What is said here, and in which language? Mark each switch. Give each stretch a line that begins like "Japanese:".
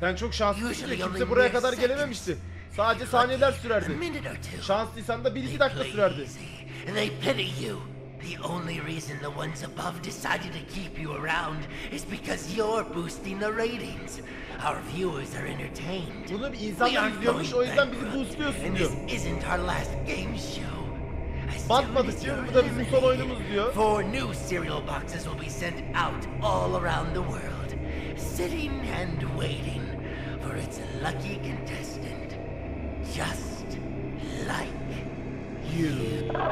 Turkish: Ben çok şanslıydım. Kimse buraya kadar gelememişti. Sadece saniyeler sürerdi. Şanslıysan da 1-2 dakika sürerdi.
English: They pity you. The only reason the ones above decided to keep you around is because you're boosting the ratings. Our viewers are entertained.
Turkish: Bunu bir insan izliyormuş, o yüzden bizi boostluyorsun diyor.
English: This isn't our last game show.
Turkish: Batmadık diyor, bu da bizim son oyunumuz diyor.
English: Four new cereal boxes will be sent out all around the world, sitting and waiting for its lucky contestant, just like you.